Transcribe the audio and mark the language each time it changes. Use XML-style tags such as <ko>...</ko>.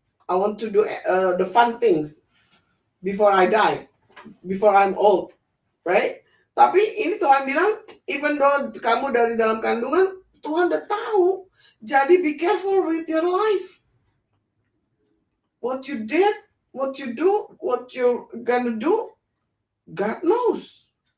<en>I want to do the fun things before I die. Before I'm old, right?</en> <id>Tapi ini Tuhan bilang,</id> <en>even though</en> <id>kamu dari dalam kandungan, Tuhan udah tahu.</id> <en>Jadi be careful with your life. What you did, what you do, what you're gonna do, God knows.</en>